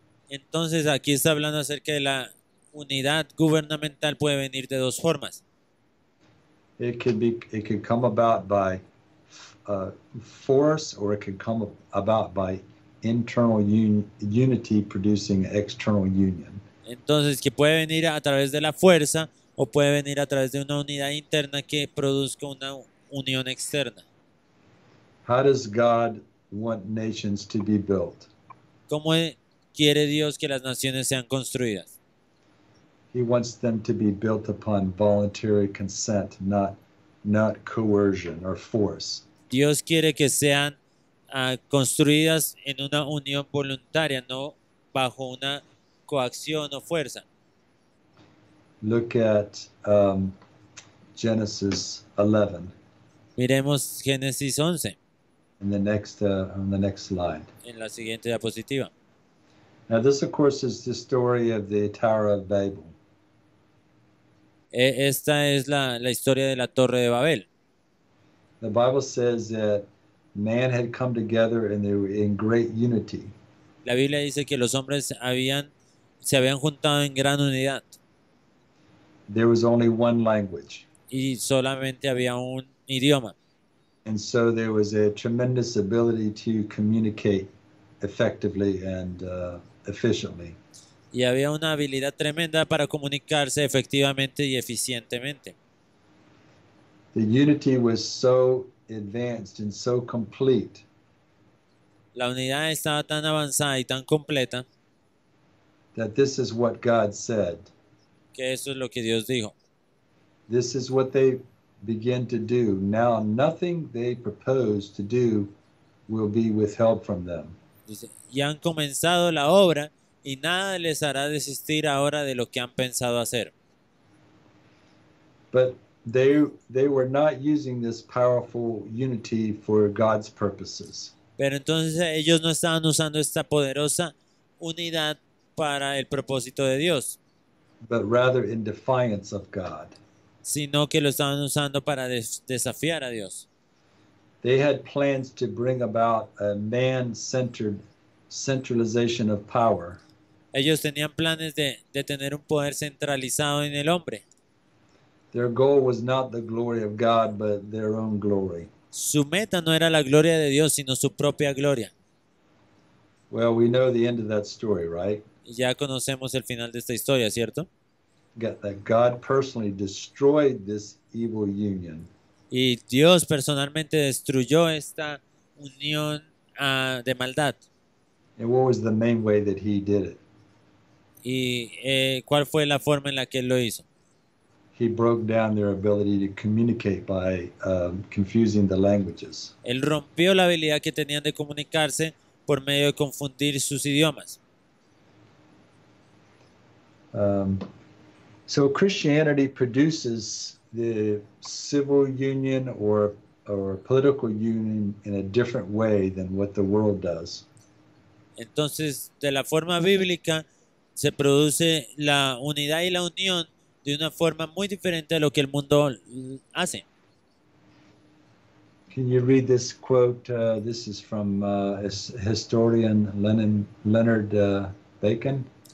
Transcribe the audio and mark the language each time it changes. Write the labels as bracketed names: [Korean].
[Spanish] Entonces, aquí está hablando acerca de la unidad gubernamental puede venir de dos formas. [English] It can come about by force, or it can come about by internal unity producing external union. [Spanish] Entonces, que puede venir a través de la fuerza o puede venir a través de una unidad interna que produzca una unión externa. [English] How does God want nations to be built? [Spanish] ¿Cómo quiere Dios que las naciones sean construidas? [English] He wants them to be built upon voluntary consent, not coercion or force. [Spanish] Dios quiere que sean construidas en una unión voluntaria, no bajo una coacción o fuerza. [English] Look at Genesis 11. [Spanish] Miremos Génesis 11. [English] On the next slide. [Spanish] En la siguiente diapositiva. [English] Now this, of course, is the story of the Tower of Babel. [Spanish] Esta es la historia de la Torre de Babel. [English] The Bible says that man had come together and they were in great unity. [Spanish] La Biblia dice que los hombres se habían juntado en gran unidad. [English] There was only one language. [Spanish] Y solamente había un idioma. [English] And so there was a tremendous ability to communicate effectively and efficiently. [Spanish] Y había una habilidad tremenda para comunicarse efectivamente y eficientemente. [English] The unity was so advanced and so complete. [Spanish] La unidad estaba tan avanzada y tan completa. [English] That this is what God said. [Spanish] Que eso es lo que Dios dijo. [English] This is what they begin to do. Now, nothing they propose to do will be withheld from them. [Spanish] Ya han comenzado la obra y nada les hará desistir ahora de lo que han pensado hacer. [English] But they were not using this powerful unity for God's purposes. [Spanish] Pero entonces ellos no estaban usando esta poderosa unidad para el propósito de Dios. [English] But rather in defiance of God. [Spanish] Sino que lo estaban usando para desafiar a Dios. [English] They had plans to bring about a man-centered centralization of power. [Spanish] Ellos tenían planes de tener un poder centralizado en el hombre. [English] Their goal was not the glory of God, but their own glory. [Spanish] Su meta no era la gloria de Dios, sino su propia gloria. [English] Well, we know the end of that story, right? [Spanish] Ya conocemos el final de esta historia, ¿cierto? [English] That God personally destroyed this evil union. [Spanish] Y Dios personalmente destruyó esta unión de maldad. [English] And what was the main way that he did it? [Spanish] Y ¿cuál fue la forma en la que él lo hizo? [English] He broke down their ability to communicate by confusing the languages. [Spanish] Él rompió la habilidad que tenían de comunicarse por medio de confundir sus idiomas. [English] So Christianity produces the civil union or political union in a different way than what the world does. [Spanish] Entonces, de la forma bíblica, se produce la unidad y la unión de una forma muy diferente a lo que el mundo hace. [English] Can you read this quote? This is from historian Leonard Bacon.